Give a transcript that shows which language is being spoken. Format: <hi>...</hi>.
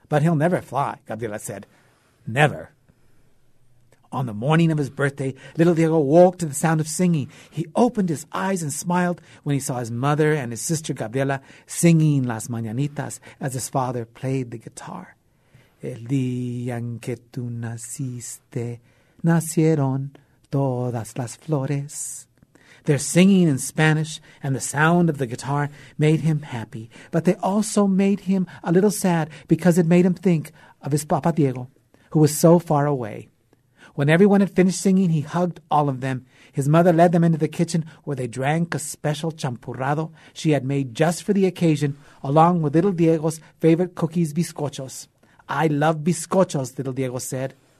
<en>But he'll never fly," Gabriela said. "Never." On the morning of his birthday, little Diego woke to the sound of singing. He opened his eyes and smiled when he saw his mother and his sister Gabriela singing Las Mañanitas as his father played the guitar.</en> <es>El día en que tú naciste, nacieron todas las flores.</es> <en>Their singing in Spanish and the sound of the guitar made him happy, but they also made him a little sad because it made him think of his Papa Diego, who was so far away. When everyone had finished singing, he hugged all of them. His mother led them into the kitchen where they drank a special champurrado she had made just for the occasion, along with little Diego's favorite cookies, bizcochos. "I love bizcochos," little Diego said.</en>